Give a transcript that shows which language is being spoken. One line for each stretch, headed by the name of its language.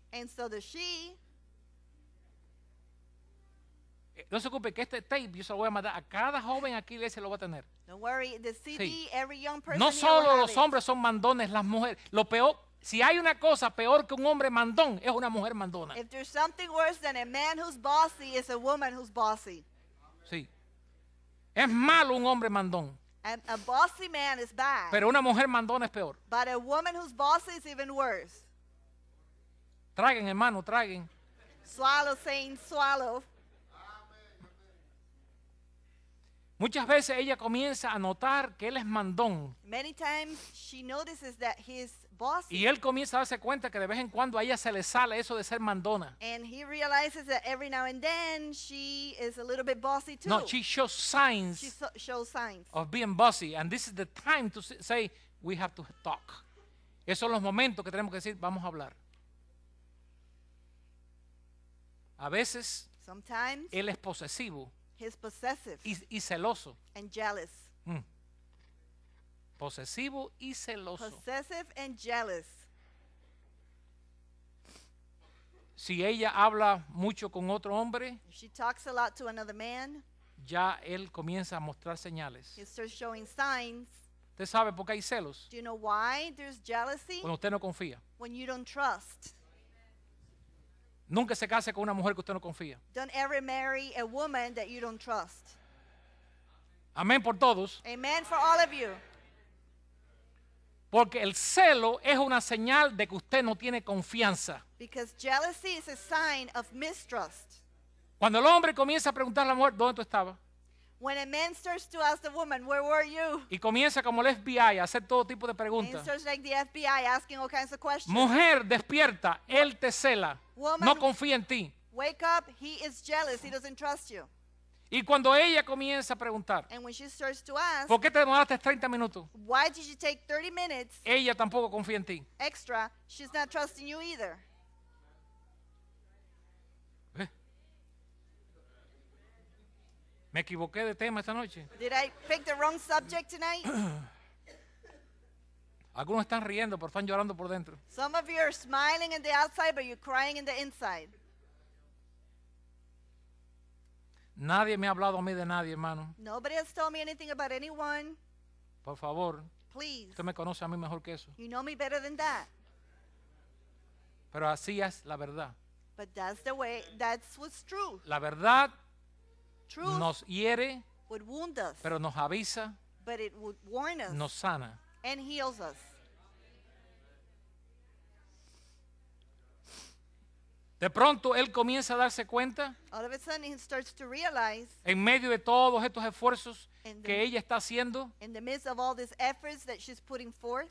English: And so does she.
Spanish: No se preocupe que este tape yo se lo voy a mandar a cada joven aquí y se lo voy a tener.
English: Don't worry, the CD, sí, every young person.
Spanish: No solo los
English: it
Spanish: hombres son mandones, las mujeres. Lo peor, si hay una cosa peor que un hombre mandón, es una mujer mandona.
English: If there's something worse than a man who's bossy, it's a woman who's bossy.
Spanish: Sí. Es malo un hombre mandón.
English: And a bossy man is bad.
Spanish: Pero una mujer mandona es peor.
English: But a woman who's bossy is even worse.
Spanish: Traguen, hermano, traguen.
English: Swallow, saying swallow.
Spanish: Muchas veces ella comienza a notar que él es mandón.
English: Many times she notices that he's bossy.
Spanish: Y él comienza a darse cuenta que de vez en cuando a ella se le sale eso de ser mandona.
English: And he realizes that every now and then she is a little bit bossy too. No, she shows signs. She shows signs of being bossy, and this is the time to say we have to talk.
Spanish: Esos son los momentos que tenemos que decir vamos a hablar. A veces
English: sometimes,
Spanish: él es posesivo.
English: He's possessive
Spanish: y celoso.
English: And jealous. Mm.
Spanish: Posesivo y celoso.
English: Possessive and jealous.
Spanish: Si ella habla mucho con otro hombre,
English: if she talks a lot to another man,
Spanish: ya él comienza a mostrar señales.
English: He starts showing signs.
Spanish: ¿Usted sabe por qué hay celos?
English: Do you know why there's jealousy?
Spanish: Cuando usted no confía.
English: When you don't trust.
Spanish: Nunca se case con una mujer que usted no confía.
English: Don't ever marry a woman that you don't trust.
Spanish: Amén por todos.
English: Amen for all of you.
Spanish: Porque el celo es una señal de que usted no tiene confianza.
English: Because jealousy is a sign of mistrust.
Spanish: Cuando el hombre comienza a preguntar a la mujer, ¿dónde tú estabas?
English: When a man starts to ask the woman, where were you?
Spanish: Y comienza como el FBI a hacer todo tipo de preguntas.
English: And starts like the FBI asking all kinds of questions.
Spanish: Mujer, despierta, él te cela.
English: Woman,
Spanish: no confía en ti.
English: Wake up, he is jealous, he doesn't trust you.
Spanish: Y cuando ella comienza a preguntar,
English: and when she starts to ask,
Spanish: ¿por qué te demoraste 30 minutos?
English: Why did you take 30 minutes?
Spanish: Ella tampoco confía en ti.
English: Extra, she's not trusting you either.
Spanish: Me equivoqué de tema esta noche.
English: Did I pick the wrong subject tonight?
Spanish: Algunos están riendo, pero están llorando por dentro.
English: Some of you are smiling in the outside, but you're crying in the inside.
Spanish: Nadie me ha hablado a mí de nadie, hermano.
English: Nobody has told me anything about anyone.
Spanish: Por favor.
English: Please.
Spanish: Usted me conoce a mí mejor que eso.
English: You know me better than that.
Spanish: Pero así es la verdad.
English: But that's the way, that's what's true.
Spanish: La verdad.
English: Truth
Spanish: nos hiere,
English: would wound us,
Spanish: pero nos avisa,
English: but it would warn us,
Spanish: nos sana,
English: and heals us.
Spanish: De pronto él comienza a darse cuenta,
English: all of a sudden he starts to realize,
Spanish: en medio de todos estos esfuerzos que ella está haciendo,
English: in the midst of all these efforts that she's putting forth,